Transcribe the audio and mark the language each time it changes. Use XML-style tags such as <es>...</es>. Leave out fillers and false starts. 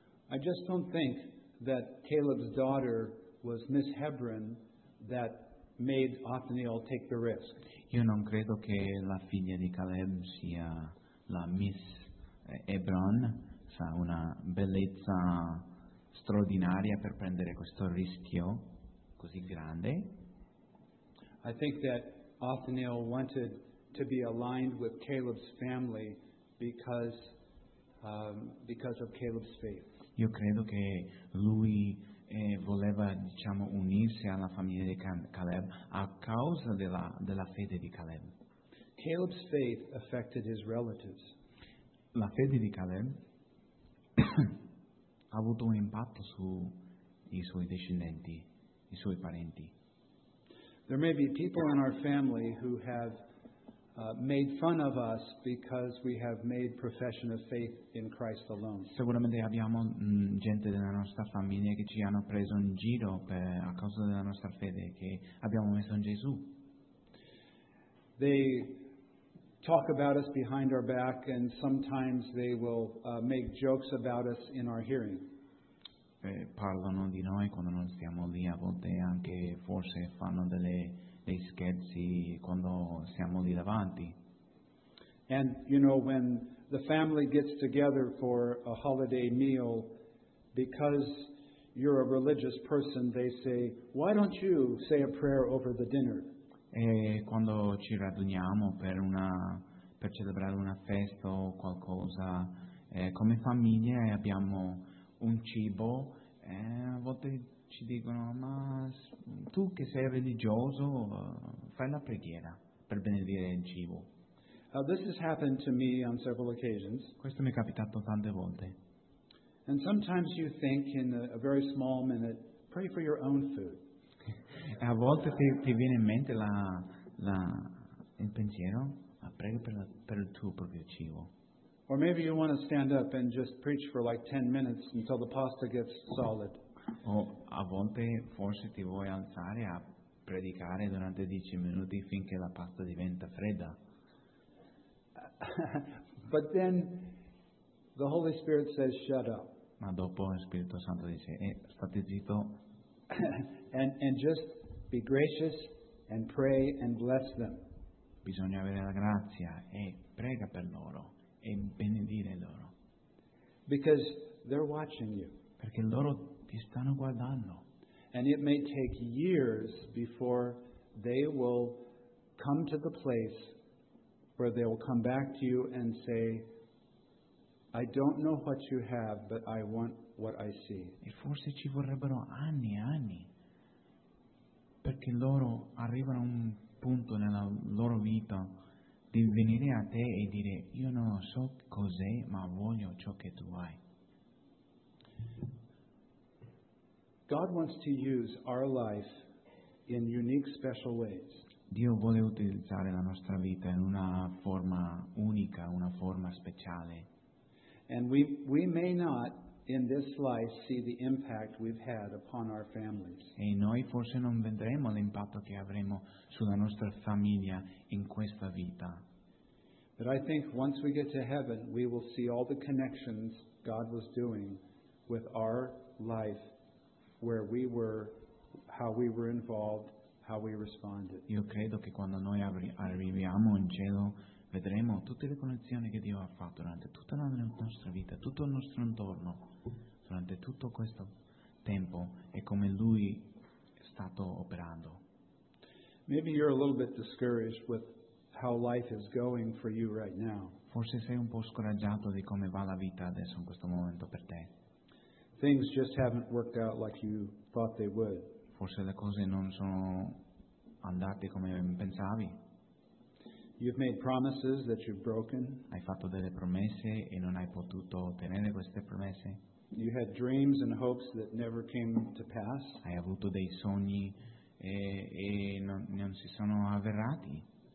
<en>I just don't think that Caleb's daughter was Miss Hebron that made Othniel take the risk.</en> <it>Io non credo che la figlia di Caleb sia la Miss Hebron, sa, una bellezza straordinaria per prendere questo rischio così grande.</it> <en>I think that Othniel wanted to be aligned with Caleb's family because of Caleb's faith.</en> <it>Io credo che lui voleva, diciamo, unirsi alla famiglia di Caleb a causa della fede di Caleb.</it> <en>Caleb's faith affected his relatives.</en> <it>La fede di Caleb ha avuto un impatto sui suoi discendenti, i suoi parenti.</it> <en>There may be people in our family who have made fun of us because we have made profession of faith in Christ alone.</en> <it>Sicuramente abbiamo gente della nostra famiglia che ci hanno preso in giro a causa della nostra fede che abbiamo messo in Gesù.</it> <en>They talk about us behind our back, and sometimes they will make jokes about us in our hearing.</en> <it>Parlano di noi quando non siamo lì, a volte anche forse fanno dei scherzi quando siamo lì davanti.</it> <en>And you know, when the family gets together for a holiday meal, because you're a religious person, they say, why don't you say a prayer over the dinner?</en> <it>E quando ci raduniamo per celebrare una festa o qualcosa, come famiglia e abbiamo un cibo, a volte ci dicono: ma tu che sei religioso, fai la preghiera per benedire il cibo.</it> <en>This has happened to me on several occasions.</en> <it>Questo mi è capitato tante volte.</it> <en>And sometimes you think in a very small minute, pray for your own food.</en> <it>E a volte ti viene in mente il pensiero a pregare per il tuo proprio cibo.</it> <en>Or maybe you want to stand up and just preach for like 10 minutes until the pasta gets solid.</en> <it>O a volte forse ti vuoi alzare a predicare durante 10 minuti finché la pasta diventa fredda.</it> <en>But then the Holy Spirit says, shut up.</en> <it>Ma dopo lo Spirito Santo dice, state zitto.</it> <en>And just be gracious and pray and bless them.</en> <it>Bisogna avere la grazia e prega per loro e benedire loro.</it> <en>Because they're watching you.</en> <it>Perché loro ti stanno guardando.</it> <en>And it may take years before they will come to the place where they will come back to you and say, I don't know what you have, but I want what I see.</en> <it>E forse ci vorrebbero anni e anni, perché loro arrivano a un punto nella loro vita di venire a te e dire: io non so cos'è, ma voglio ciò che tu hai.</it> <en>God wants to use our life in unique, special ways.</en> <it>Dio vuole utilizzare la nostra vita in una forma unica, una forma speciale.</it> <en>And we may not in this life see the impact we've had upon our families.</en> <it>E noi forse non vedremo l'impatto che avremo sulla nostra famiglia in questa vita.</it> <en>But I think once we get to heaven, we will see all the connections God was doing with our life, where we were, how we were involved, how we responded.</en> <it>Io credo che quando noi arriviamo in cielo, vedremo tutte le connessioni che Dio ha fatto durante tutta la nostra vita, tutto il nostro intorno, durante tutto questo tempo, e come Lui è stato operando.</it> <en>Maybe you're a little bit discouraged with how life is going for you right now.</en> <it>Forse sei un po' scoraggiato di come va la vita adesso in questo momento per te.</it> <en>Things just haven't worked out like you thought they would.</en> <it>Forse le cose non sono andate come pensavi.</it> <en>You've made promises that you've broken.</en> <it>Hai fatto delle promesse e non hai potuto ottenere queste promesse.</it> <en>You had dreams and hopes that never came to pass.</en> <it>Hai avuto dei sogni e non si sono avverati.</it>